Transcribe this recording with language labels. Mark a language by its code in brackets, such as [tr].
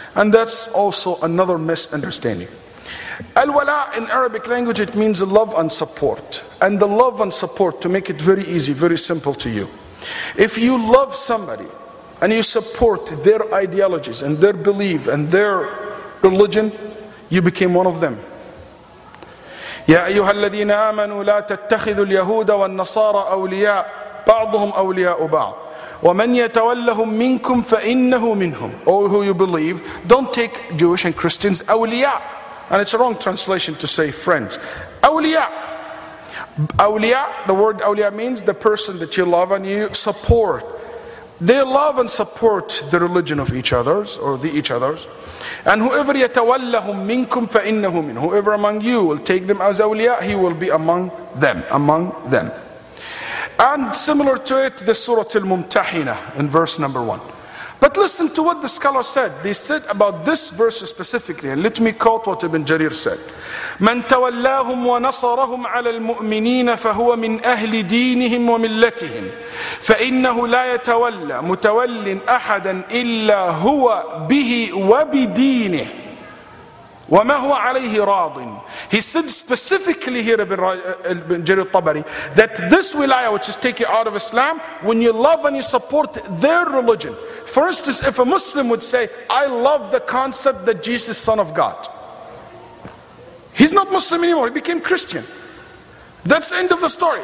[en] And that's also another misunderstanding. Al-wala' in Arabic language, it means love and support. And the love and support, to make it very easy, very simple to you. If you love somebody and you support their ideologies and their belief and their religion, you became one of them. [ar] يا أيها الذين آمنوا لا تتخذوا اليهود والنصارى أولياء بعضهم أولياء بعض ومن يتولهم منكم فإنه منهم. [en] All who you believe, don't take Jewish and Christians أولياء. And it's a wrong translation to say friends. [ar] أولياء. [en] أولياء, the word أولياء means the person that you love and you support. They love and support the religion of each other's or the each other's. And whoever [ar] يتولهم منكم فإنه منهم, [en] whoever among you will take them as awliya, he will be among them, among them. And similar to it, the Surah Al-Mumtahina in verse number 1. But listen to what the scholar said. They said about this verse specifically, and let me quote what Ibn Jarir said. [ar] من تولاهم ونصرهم على المؤمنين فهو من أهل دينهم وملتهم فإنه لا يتولى متول أحدا إلا هو به وبدينه وما هو عليه راض. [en] He said specifically here, Ibn Jarir al-Tabari, that this wilaya, which is taking out of Islam, when you love and you support their religion. For instance, if a Muslim would say, I love the concept that Jesus is son of God, he's not Muslim anymore, he became Christian. That's the end of the story.